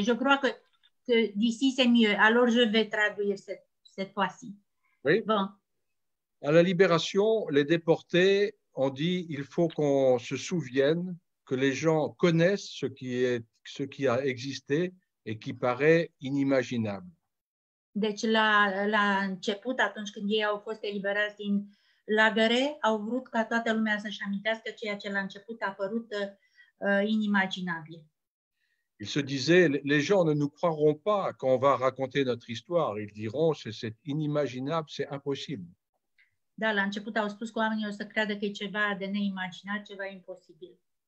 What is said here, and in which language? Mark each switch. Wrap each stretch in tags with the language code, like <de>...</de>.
<fr>Je crois que d'ici c'est mieux. Alors je vais traduire cette fois-ci. Oui. Bon. À la libération, les déportés ont dit il faut qu'on se souvienne que les gens connaissent ce qui a existé et qui paraît inimaginable.</fr> <ro>Deci la început, atunci când ei au fost eliberați din lagăre, au vrut ca toată lumea să-și amintească ceea ce la început a părut inimaginabil.</ro> <fr>Il se disait, les gens ne nous croiront pas quand on va raconter notre histoire. Ils diront, c'est inimaginable, c'est impossible.</fr> <ro>Da, la început au spus că oamenii o să creadă că e ceva de neimaginat, ceva imposibil.</ro>